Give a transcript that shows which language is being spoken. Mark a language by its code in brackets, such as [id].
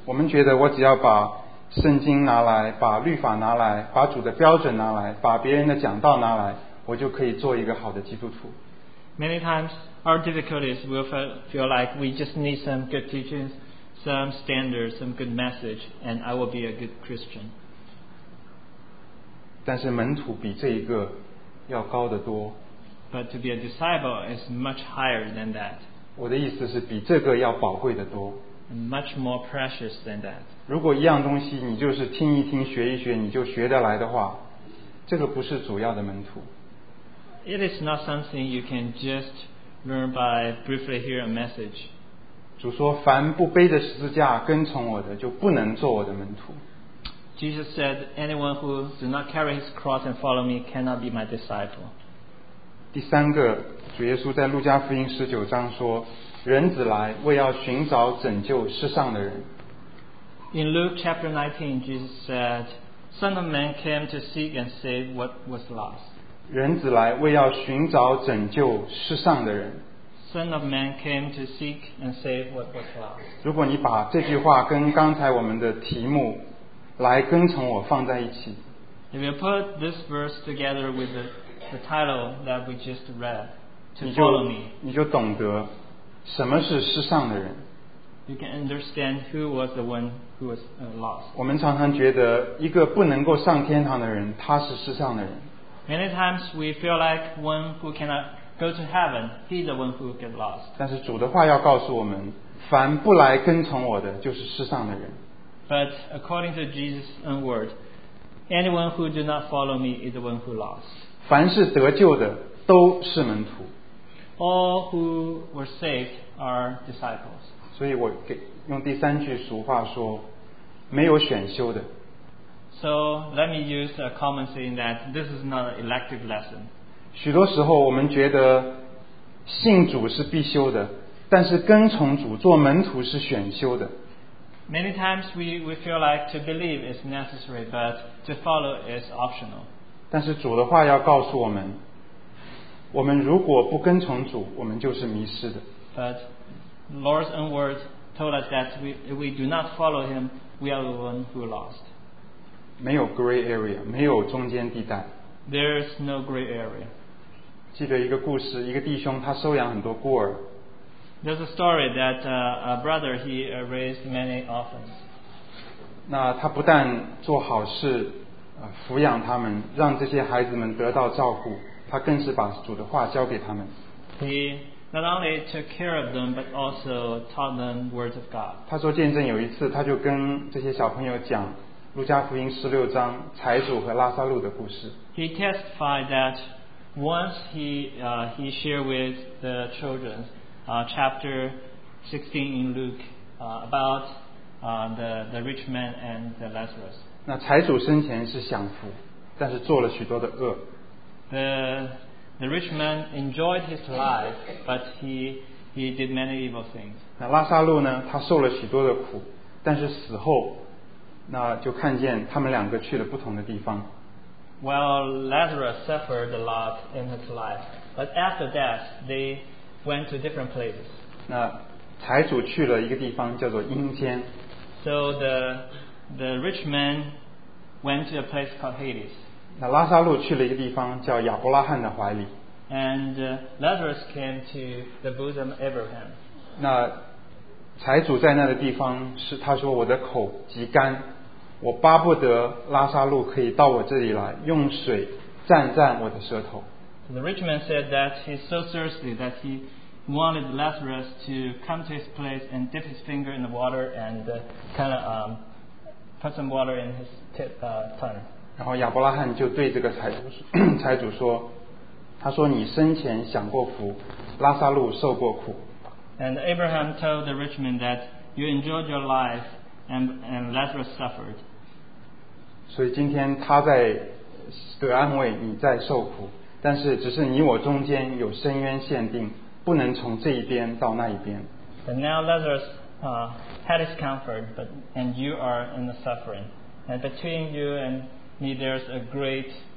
[zh] 我们觉得我只要把圣经拿来，把律法拿来，把主的标准拿来，把别人的讲道拿来，我就可以做一个好的基督徒。 [en] Many times, our difficulties will feel like we just need some good teachings, some standards, some good message, and I will be a good Christian. [zh] 但是门徒比这一个要高得多。 [en] But to be a disciple is much higher than that. [zh] 我的意思是比这个要宝贵得多。 [en] Much more precious than that. [zh] 如果一样东西你就是听一听学一学你就学得来的话，这个不是主要的门徒。 [en] It is not something you can just learn by briefly hearing a message. [zh] 主说凡不背着十字架跟从我的就不能做我的门徒。 [en] Jesus said, anyone who does not carry his cross and follow me cannot be my disciple. [zh] 第三个，主耶稣在路加福音十九章说，人子来为要寻找拯救世上的人。 [en] In Luke chapter 19, Jesus said, Son of man came to seek and save what was lost. [zh] 人子来为要寻找拯救世上的人。 [en] Son of man came to seek and save what was lost. [zh] 如果你把这句话跟刚才我们的题目来跟从我放在一起。 [en] If you put this verse together with the title that we just read, to follow me. [zh] 你就懂得什么是世上的人。 [en] You can understand who was the one who was lost. [zh] 我们常常觉得一个不能够上天堂的人，他是世上的人。 [en] Many times we feel like one who cannot go to heaven, he's the one who gets lost. [zh] 但是主的话要告诉我们，凡不来跟从我的，就是世上的人。 [en] But according to Jesus' own word, anyone who does not follow me is the one who lost. [zh] 凡是得救的，都是门徒。 [en] All who were saved are disciples. [zh] 所以我给用第三句俗话说，没有选修的。 [en] So let me use a common saying that this is not an elective lesson. [zh] 许多时候我们觉得信主是必修的，但是跟从主做门徒是选修的。 [en] Many times we feel like to believe is necessary, but to follow is optional. [zh] 但是主的话要告诉我们，我们如果不跟从主，我们就是迷失的。 [en] But Lord's own words told us that we do not follow Him, we are the one who lost. [zh] 没有 [en] gray area, [zh] 没有中间地带。 [en] There is no gray area. [zh] 记得一个故事，一个弟兄他收养很多孤儿。 [en] There's a story that a brother he raised many orphans. [zh] 那他不但做好事，抚养他们，让这些孩子们得到照顾。他更是把主的话交给他们。 [en] He not only took care of them, but also taught them words of God. [zh] 他说见证有一次，他就跟这些小朋友讲《路加福音》十六章财主和拉撒路的故事。 [en] He testified that once he shared with the children, chapter 16 in Luke, about the rich man and the Lazarus. [zh] 那财主生前是享福，但是做了许多的恶。 [en] The rich man enjoyed his life, but he did many evil things. [zh] 那拉撒路呢？他受了许多的苦，但是死后，那就看见他们两个去了不同的地方。 [en] Well, Lazarus suffered a lot in his life, but after death, they went to different places. [zh] 那财主去了一个地方叫做阴间。 [en] So the rich man went to a place called Hades. [zh] 那拉撒路去了一个地方叫亚伯拉罕的怀里。 [en] And Lazarus came to the bosom of Abraham. [zh] 那财主在那个地方是他说我的口极干，我巴不得拉撒路可以到我这里来用水蘸蘸我的舌头。 [en] The rich man said that he's so thirsty that he wanted Lazarus to come to his place and dip his finger in the water and kind of put some water in his tongue. [zh] 然后亚伯拉罕就对这个财主说，他说你生前享过福，拉撒路受过苦。 [en] And Abraham told the rich man that you enjoyed your life and Lazarus suffered. [zh] 所以今天他在得安慰，你在受苦，但是只是你我中间有深渊限定，不能从这一边到那一边。 [en] But now Lazarus had his comfort, but and you are in the suffering, and between you and me there's a great